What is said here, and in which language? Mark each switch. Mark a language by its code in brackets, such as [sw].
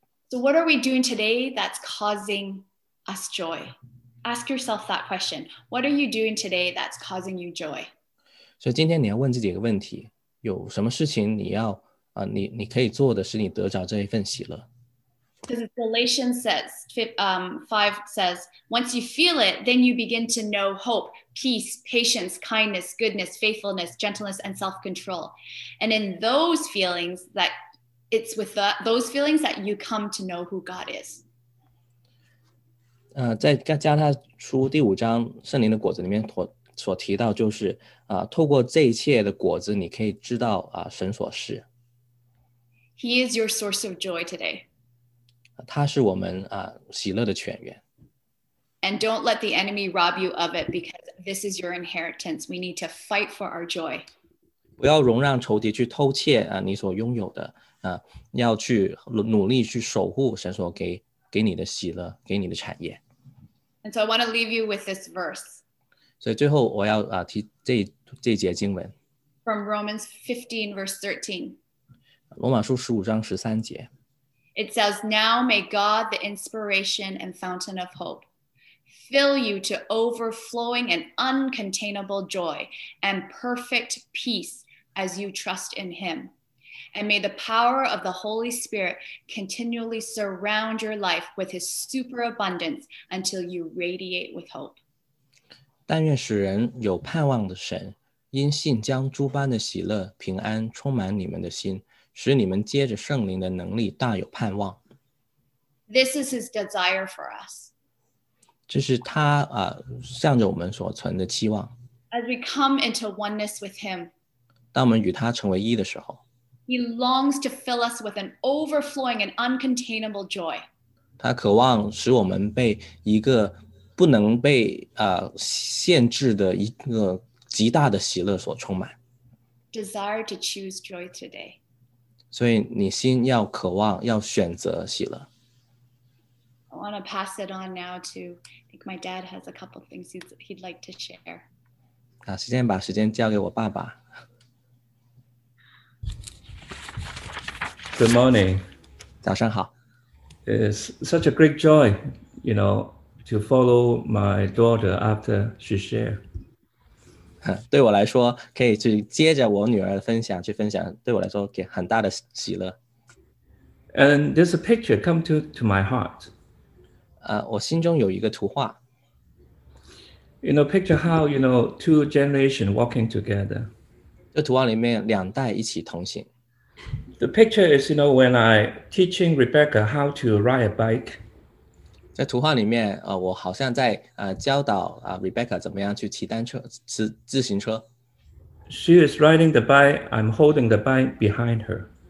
[en] So what are we doing today that's causing us joy? Ask yourself that question. What are you doing today that's causing you joy? [zh] 所以今天你要问自己一个问题，有什么事情你要你可以做的使你得着这一份喜乐？ [en] Because Galatians says, 5 says, once you feel it, then you begin to know hope, peace, patience, kindness, goodness, faithfulness, gentleness, and self-control. And in those feelings, that it's with those feelings that you come to know who God is. [zh] 在加拉太书第五章圣灵的果子里面所提到就是透过这一切的果子你可以知道神所是。 [en] He is your source of joy today. [zh] 他是我们喜乐的泉源。 [en] And don't let the enemy rob you of it because this is your inheritance. We need to fight for our joy. [zh] 不要容让仇敌去偷窃你所拥有的要去努力去守护神所给你的喜乐，给你的产业。 [en] And so I want to leave you with this verse. [zh] 所以最后我要提这一节经文。 [en] From Romans 15 verse 13. [zh] 罗马书15章13节。 [en] It says, Now may God, the inspiration and fountain of hope, fill you to overflowing and uncontainable joy and perfect peace as you trust in him. And may the power of the Holy Spirit continually surround your life with his superabundance until you radiate with hope. [zh] 但愿使人有盼望的神，因信将诸般的喜乐、平安充满你们的心，使你们接着圣灵的能力大有盼望。 [en] This is his desire for us. [zh] 这是他向着我们所存的期望。 [en] As we come into oneness with him, [zh] 当我们与他成为一的时候， [en] he longs to fill us with an overflowing and uncontainable joy. [zh] 他渴望使我们被一个不能被限制的一个极大的喜乐所充满。 [en] Desire to choose joy today. [zh] 所以你心要渴望，要选择喜乐。 [en] I want to pass it on now to, I think my dad has a couple things he'd like to share. [zh] 先把时间交给我爸爸。 [en] Good morning. [zh] 早上好。 [en] It is such a great joy, you know,to follow my daughter after she shared. [zh] 对我来说，可以去接着我女儿的分享，去分享，对我来说给很大的喜乐。 [en] And there's a picture come to my heart. [zh] 我心中有一个图画。 [en] You know, picture how, you know, two generations walking together. [zh] 这图画里面两代一起同行。 [en] The picture is, you know, when I teaching Rebecca how to ride a bike. [zh] 在图画里面我好像在教导Rebecca 怎么样去骑单车骑自行车。 [en] She is riding the bike, I'm holding the bike behind her.